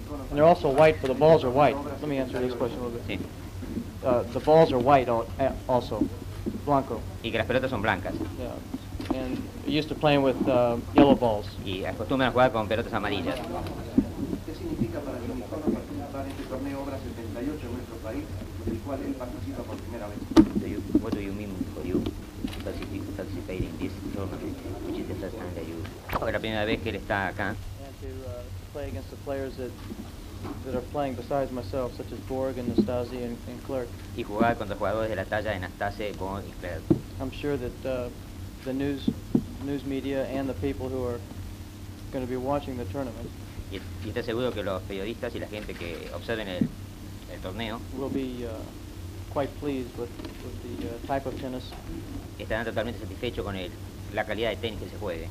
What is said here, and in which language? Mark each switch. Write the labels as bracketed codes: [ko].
[en] And they're also white, but the balls are white. Let me answer this question a little bit. [es] Sí. [en] The balls are white also, blanco. [es] Y que las pelotas son blancas. [en] Yeah. And you're used to playing with yellow balls. [es] Y acostumbran a jugar con pelotas amarillas. ¿Qué significa para el uniforme participar en este torneo Obras 78 en nuestro país, del cual él participa por primera vez? [en] What do you mean for you participating in this tournament, which is the first time that you... [es] Oh, la primera vez que él está acá. [en] Against the players that are playing besides myself, such as Borg and Nastase and Clerc. [es] Y jugar contra jugadores de la talla de Nastase, Borg y Clerc. [en] I'm sure that the news media and the people who are going to be watching the tournament. [es] Y está seguro que los periodistas y la gente que observen el torneo [en] will be quite pleased with the type of tennis. [es] Estarán totalmente satisfechos con la calidad de tenis que se juegue.